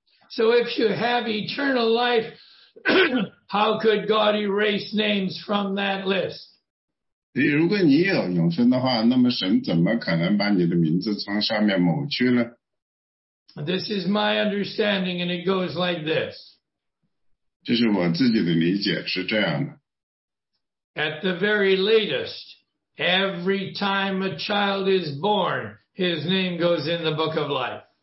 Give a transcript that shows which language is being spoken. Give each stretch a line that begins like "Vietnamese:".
English: So if you have eternal life, how could God erase names from that list?
Chinese: 如果你有永生的话,那么神怎么可能把你的名字从上面抹去呢?
English: This is my understanding, and it goes like this.
Chinese: 这是我自己的理解,是这样的。
English: At the very latest, every time a child is born, his name goes in the book of life.